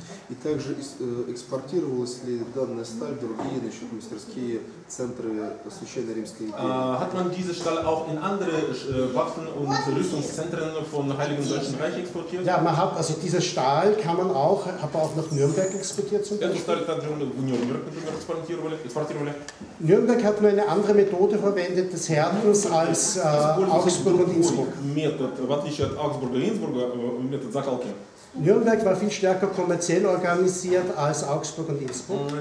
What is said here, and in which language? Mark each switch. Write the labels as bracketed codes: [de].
[ru] И также экспортировалась ли данная сталь в другие, значит, мастерские центры Священной Римской империи? [de] Hat man diese Stahl auch in andere Waffen- und Rüstungszentren von Heiligen Deutschen Reich exportiert? Ja, man hat, also dieser Stahl kann man auch, hat man auch nach Nürnberg exportiert zum Beispiel? [ru] Эту сталь также в Нюрнберг экспортировали. [de] Nürnberg hat nur eine andere Methode verwendet des Härtens als Augsburg und Innsbruck. [ru] Метод, в отличие от [de] Augsburg und Innsbruck, [ru] метод закалки. [de] Nürnberg war viel stärker kommerziell organisiert als Augsburg und Innsbruck.